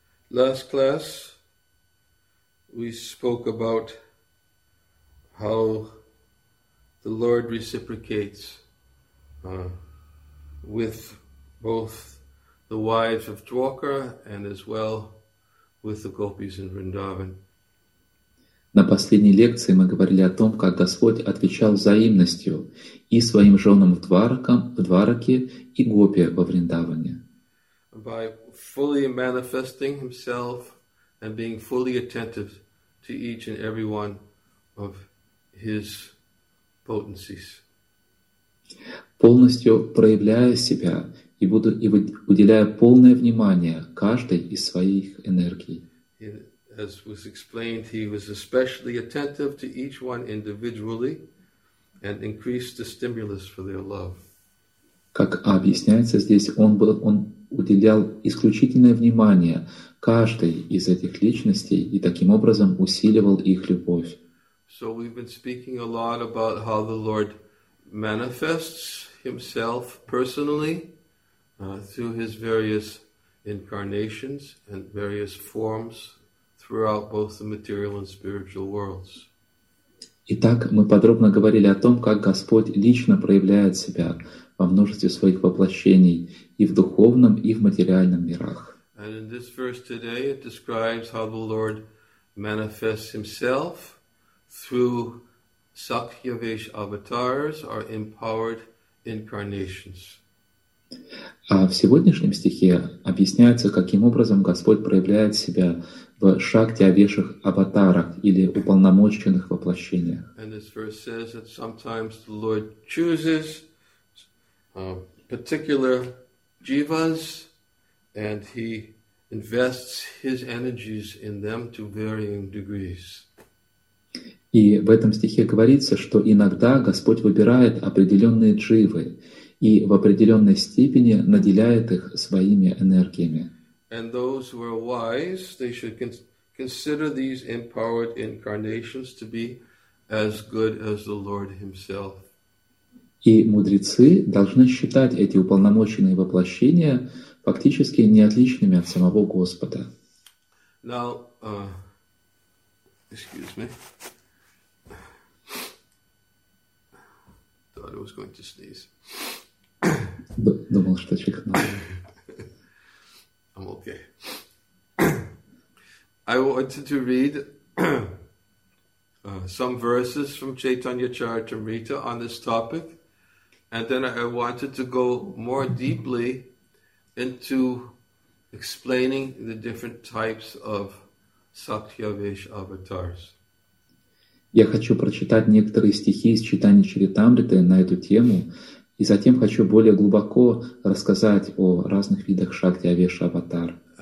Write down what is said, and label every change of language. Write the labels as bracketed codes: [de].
[en] Last class, we spoke about how the Lord reciprocates with both the wives of Dwarka and as well with the gopis in Vrindavan. [ru] На последней лекции мы говорили о том, как Господь отвечал взаимностью и своим женам в Двараке и гопи во Вриндаване. [en] By fully manifesting himself and being fully attentive to each and every one of his potencies. [ru] Полностью проявляя себя и буду и уделяя полное внимание каждой из своих энергий. [en] As was explained, he was especially attentive to each one individually and increased the stimulus for their love. [ru] Как объясняется здесь, он уделял исключительное внимание каждой из этих личностей и таким образом усиливал их любовь. [en] So we've been speaking a lot about how the Lord manifests himself personally through his various incarnations and various forms throughout both the material and spiritual worlds. [ru] Итак, мы подробно говорили о том, как Господь лично проявляет себя во множестве своих воплощений и в духовном, и в материальном мирах. [en] And in this verse today, it describes how the Lord manifests himself through Sakya Vesh avatars, or empowered incarnations. [ru] А в сегодняшнем стихе объясняется, каким образом Господь проявляет себя в шакти авешах аватарах или уполномоченных воплощениях. [en] And this verse says that sometimes the Lord chooses particular jivas and he invests his energies in them to varying degrees. [ru] И в этом стихе говорится, что иногда Господь выбирает определенные дживы и в определенной степени наделяет их своими энергиями. [en] And those who are wise, they should consider these empowered incarnations to be as good as the Lord himself. [ru] И мудрецы должны считать эти уполномоченные воплощения фактически неотличными от самого Господа. [en] Now, excuse me. I was going to sneeze. [ru] Думал, что чихнул. [en] I'm okay. I wanted to read some verses from Chaitanya Charitamrita on this topic, and then I wanted to go more deeply into explaining the different types of Sakya Vesh avatars. [ru] Я хочу прочитать некоторые стихи из Чайтаньи Чаритамриты на эту тему, и затем хочу более глубоко рассказать о разных видах шакти авеша аватар.